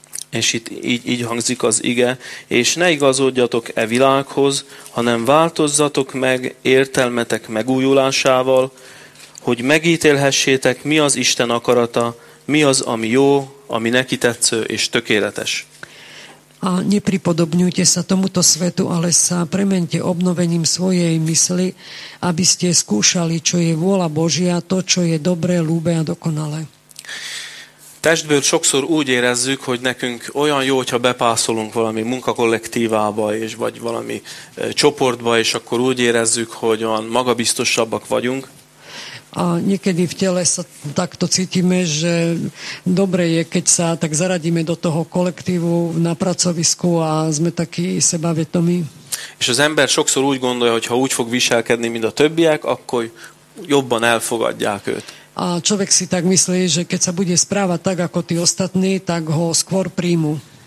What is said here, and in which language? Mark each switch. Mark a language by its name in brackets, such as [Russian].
[Hungarian] És itt így hangzik az ige, és ne igazodjatok e világhoz, hanem változzatok meg értelmetek megújulásával, hogy megítélhessétek, mi az Isten akarata, mi az, ami jó, ami neki tetsző és tökéletes. [Slovak] A nepripodobňujte sa tomuto svetu, ale sa premente obnovením svojej mysli, aby ste skúšali, čo je vôľa Božia, to, čo je dobré, ľúbe a dokonalé. [Hungarian] Testből sokszor úgy érezzük, hogy nekünk olyan jó, hogyha bepászolunk valami munkakollektívába, és vagy valami csoportba, és akkor úgy érezzük, hogy olyan magabiztosabbak vagyunk. [Slovak] A niekedy v tele sa takto cítime, že dobre je, keď sa tak zaradíme do toho kolektívu na pracovisku a sme takí sebavedomí. [Hungarian] És az ember sokszor úgy gondolja, hogy ha úgy fog viselkedni, mint a többiek, akkor jobban elfogadják őt. [Slovak] A človek si tak myslí, že keď sa bude správať tak, ako tí ostatní, tak ho skôr príjmu.